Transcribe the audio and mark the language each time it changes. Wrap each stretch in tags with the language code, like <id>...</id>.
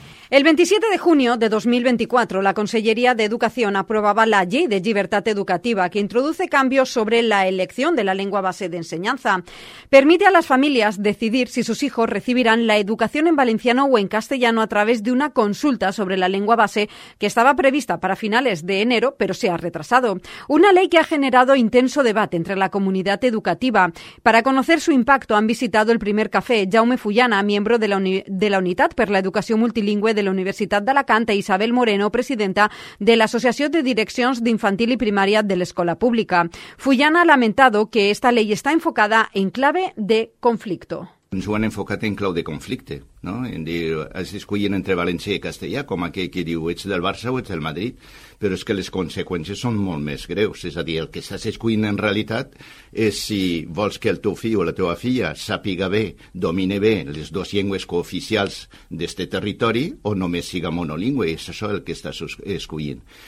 <es>El 27 de junio de 2024, la Consellería de Educación aprobaba la Ley de Llibertat Educativa, que introduce cambios sobre la elección de la lengua base de enseñanza. Permite a las familias decidir si sus hijos recibirán la educación en valenciano o en castellano a través de una consulta sobre la lengua base que estaba prevista para finales de enero, pero se ha retrasado. Una ley que ha generado intenso debate entre la comunidad educativa. Para conocer su impacto, han visitado el primer café Jaume Fullana, miembro de la Unitat per la Educació Multilingüe de la Universitat d'Alacant, i Isabel Moreno, presidenta de l'Associació de Direccions d'Infantil i Primària de l'Escola Pública. Fullana ha lamentado que esta ley está enfocada en clave de conflicto.</es> <ca>Ens ho han enfocat en clau de conflicte, no? En dir, es escollien entre valencià i castellà, com aquell que diu, ets del Barça o ets del Madrid, però és que les conseqüències són molt més greus. És a dir, el que estàs escollint en realitat és si vols que el teu fill o la teva filla sàpiga bé, domine bé les dues llengües cooficials d'aquest territori o només siga monolingüe, és això el que estàs escollint.</ca>